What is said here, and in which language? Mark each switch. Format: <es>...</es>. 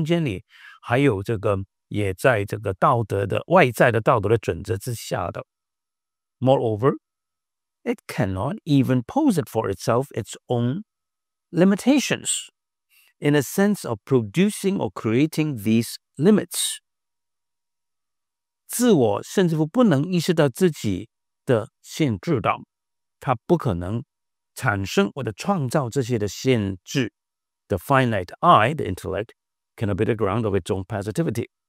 <zh>自己是有限的，才能够设立自己的。但是他必然设立自己是有限的，因此里面是有矛盾的，因为他也设立自己是无限的或者绝对的。所以这个自我啊，设立自己是无限的，是主体不是客体，但是他又知道他是有限的，所以设立自己设立或者意识到自己是有限的，在时空空间里，还有这个。也在这个道德的外在的道德的准则之下的。Moreover,</zh> <en>it cannot even pose it for itself its own limitations in a sense of producing or creating these limits.</en> <zh>自我甚至乎不能意识到自己的限制的，它不可能产生或者创造这些的限制。The</zh> <en>finite I, the intellect, cannot be the ground of its own passivity.</en>